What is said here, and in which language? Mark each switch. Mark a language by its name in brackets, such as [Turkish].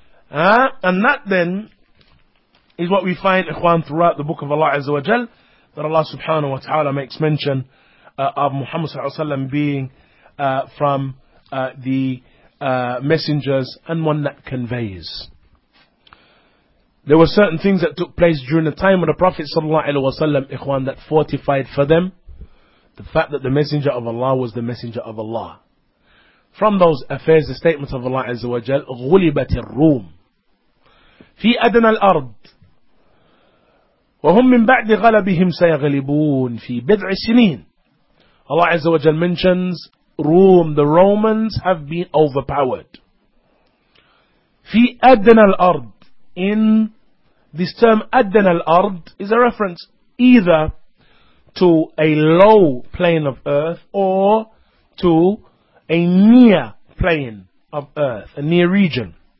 [English] And that then is what we find, Ikhwan, throughout the book of Allah Azza wa Jal, that Allah subhanahu wa ta'ala makes mention of Muhammad sallallahu alayhi wa sallam being from the messengers and one that conveys. There were certain things that took place during the time of the Prophet sallallahu alaihi wasallam, Ikhwan, that fortified for them the fact that the Messenger of Allah was the Messenger of Allah. From those affairs, the statement of Allah Azza wa Jal, [Arabic] غُلِبَتِ الرُّومِ فِي أَدْنَى الْأَرْضِ وَهُمْ مِنْ بَعْدِ غَلَبِهِمْ سَيَغْلِبُونَ فِي بِضْعِ سِنِينَ. [English] Allah Azza wa Jal mentions Rome, the Romans have been overpowered. [Arabic] فِي أَدْنَى الْأَرْضِ. [English] In this term, Adan al-Ard is a reference either to a low plane of earth or to a near plane of earth, a near region.